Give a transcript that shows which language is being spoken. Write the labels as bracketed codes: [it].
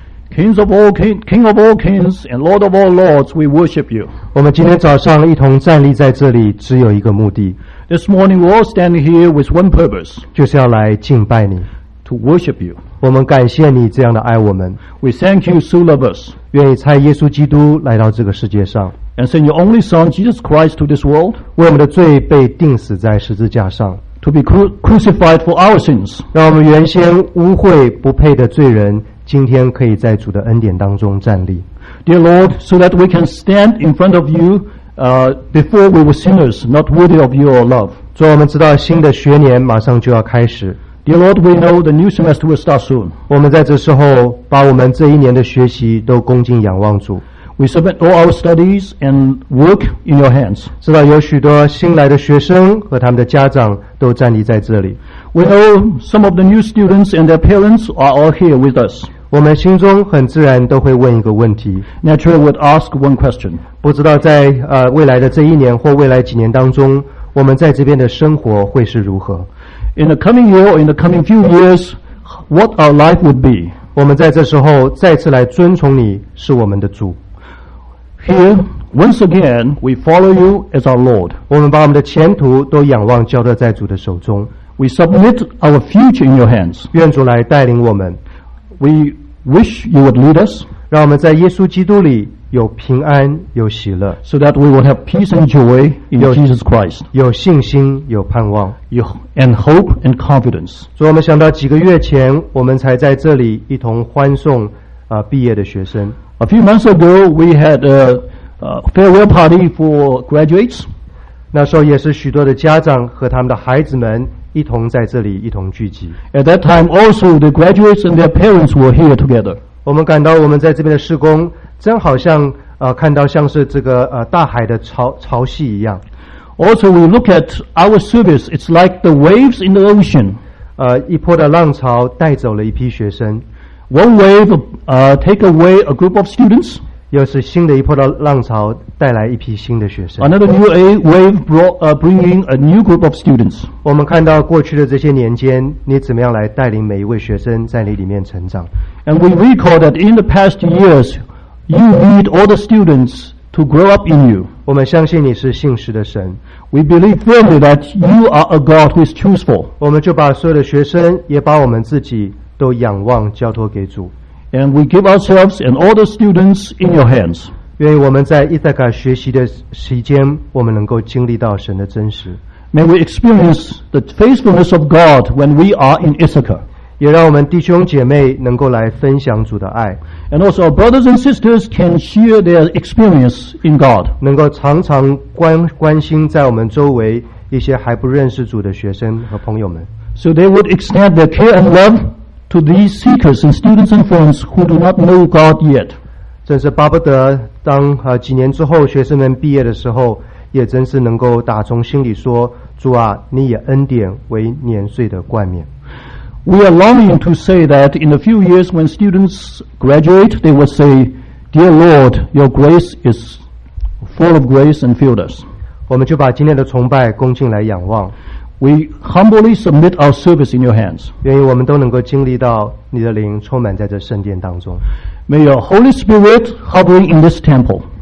[en] Kings of all kings, King of all kings, and Lord of all lords, we worship you. [zh] 我们今天早上一同站立在这里，只有一个目的。 [en] This morning we all stand here with one purpose. [zh] 就是要来敬拜你。 [en] To worship you. [zh] 我们感谢你这样的爱我们。 [en] We thank you so love us. [zh] 愿意差耶稣基督来到这个世界上。 [en] And send your only Son Jesus Christ to this world. [zh] 为我们的罪被钉死在十字架上。 [en] To be crucified for our sins. [zh] 让我们原先污秽不配的罪人今天可以在主的恩典当中站立。 [en] Dear Lord, so that we can stand in front of you, before we were sinners, not worthy of your love. [zh] 主，我们知道新的学年马上就要开始。 [en] Dear Lord, we know the new semester will start soon. [zh] 我们在这时候把我们这一年的学习都恭敬仰望主。 [en] We submit all our studies and work in your hands. [zh] 知道有许多新来的学生和他们的家长都站立在这里。 [en] We know some of the new students and their parents are all here with us. [zh] 我们心中很自然都会问一个问题。 [en] Naturally, would ask one question. [zh] 不知道在未来的这一年或未来几年当中，我们在这边的生活会是如何 [en] ？In the coming year, or in the coming few years, what our life would be? [zh] 我们在这时候再次来尊崇你是我们的主。 [en] Here, once again, we follow you as our Lord. [zh] 我们把我们的前途都仰望交托在主的手中。 [en] We submit our future in your hands. [zh] 愿主来带领我们。 [en] We wish you would lead us. [zh] 让我们在耶稣基督里有平安有喜乐。 [en] So that we would have peace and joy in Jesus Christ. [zh] 有信心有盼望。 [en] And hope and confidence. [zh] 主，我们想到几个月前我们才在这里一同欢送毕业的学生。 [en] A few months ago, we had a farewell party for graduates. [zh] 那时候也是许多的家长和他们的孩子们一同在这里一同聚集。 [en] At that time, also the graduates and their parents were here together. [zh] 我们感到我们在这边的事工真好像看到像是这个大海的潮汐一样。 [en] Also, we look at our service. It's like the waves in the ocean. [zh] 一波的浪潮带走了一批学生。 [en] One wave take away a group of students. [zh] 又是新的一波的浪潮带来一批新的学生。 [en] Another new wave bringing a new group of students. [zh] 我们看到过去的这些年间，你怎么样来带领每一位学生在你里面成长。 [en] And we recall that in the past years, you lead all the students to grow up in you. [zh] 我们相信你是信实的神。 [en] We believe firmly that you are a God who is truthful. [zh] 我们就把所有的学生，也把我们自己。都仰望交托给主 [en] and we give ourselves and all the students in your hands. [zh] 愿意我们在伊萨卡学习的时间，我们能够经历到神的真实。 [en] May we experience the faithfulness of God when we are in Issachar. [zh] 也让我们弟兄姐妹能够来分享主的爱 [en] and also our brothers and sisters can share their experience in God. [zh] 能够常常关心在我们周围一些还不认识主的学生和朋友们 [en] so they would extend their care and love. To these seekers and students and friends who do not know God yet, [zh] 真是巴不得当几年之后学生们毕业的时候，也真是能够打从心里说，主啊，你以恩典为年岁的冠冕。 [en] We are longing to say that in a few years, when students graduate, they will say, "Dear Lord, your grace is full of grace and filled us." [zh] 我们就把今天的崇拜恭敬来仰望。 [en] We humbly submit our service in your hands. [zh] 愿意我们都能够经历到你的灵充满在这圣殿当中。 [en] May your Holy Spirit hovering in this temple.